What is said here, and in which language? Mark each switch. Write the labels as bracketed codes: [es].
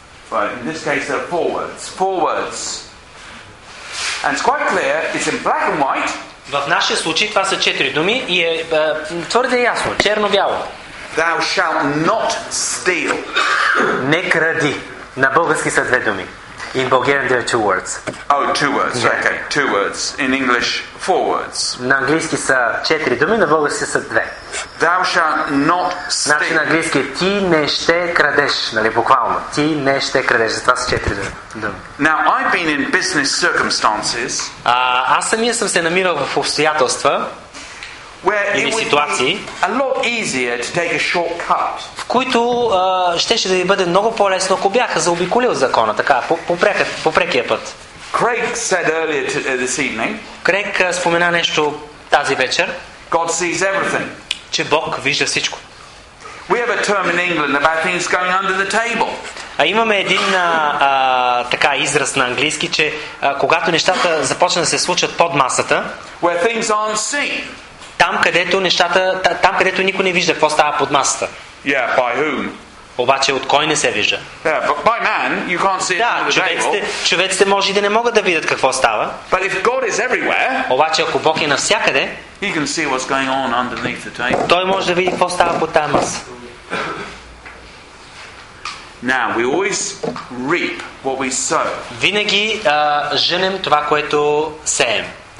[en] well, in this case there are four words, and it's quite clear, it's in black and white, [bg] в нашия случай това са 4 думи и е твърде ясно, черно-бяло. [en] Thou shalt not steal. [bg] Не кради. На български са 2 думи. [en] In Bulgarian there are 2 words. Oh, 2 words. Yeah. Okay, 2 words. In English, 4 words. [bg] На английски са 4 думи, на български са 2. [en] Thou shalt not steal. [bg] Значи на английски ти не ще крадеш, нали, буквално. Ти не ще крадеш. Затова са 4 думи. [en] Now, I've been in business circumstances. [bg] Аз самия съм се намирал в обстоятелства, [en] where it would be a lot easier to take a shortcut. [bg] В които щеше да ви бъде много по-лесно, ако бяха заобиколил закона, така, по прекия път. [en] Craig said earlier this evening, [bg] Craig спомена нещо тази вечер, [en] God sees everything, [bg] че Бог вижда всичко. [en] We have a term in England about things going under the table. [bg] Имаме един така израз на английски, че когато нещата започнат да се случат под масата, [en] where things aren't seen, [bg] там където нещата, там където никой не вижда какво става под масата. [en] Yeah, by whom? [bg] Обаче от кой не се вижда? [en] Yeah, by man, you can't see it. [bg] Да, човеците може и да не могат да видят какво става. [en] But if God is everywhere, [bg] обаче ако Бог е навсякъде, [en] he can see what's going on underneath the table. [bg] Той може да види какво става под тази маса. [en] Now, we always reap what we sow. [bg] Винаги женем това, което сеем.